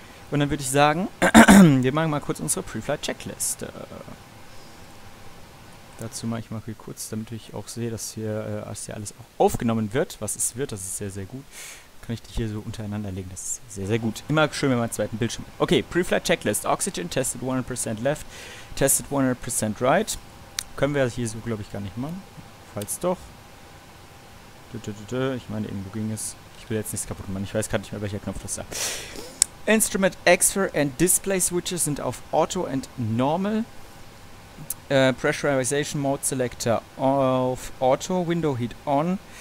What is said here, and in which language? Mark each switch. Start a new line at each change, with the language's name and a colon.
German: Und dann würde ich sagen, wir machen mal kurz unsere Pre-Flight-Checkliste. Dazu mache ich mal hier kurz, damit ich auch sehe, dass hier alles auch aufgenommen wird, was es wird. Das ist sehr, sehr gut. Kann ich die hier so untereinander legen? Das ist sehr, sehr gut. Immer schön, wenn man einen zweiten Bildschirm hat.
English: Okay, Pre-Flight Checklist. Oxygen tested 100% left, tested 100% right.
German: Können wir das hier so, glaube ich, gar nicht machen. Falls doch. Ich meine, irgendwo ging es. Ich will jetzt nichts kaputt machen. Ich weiß gar nicht mehr, welcher Knopf das sagt. Instrument X-Ray and Display Switches sind auf Auto and Normal. Pressurization Mode Selector auf Auto. Window Heat on.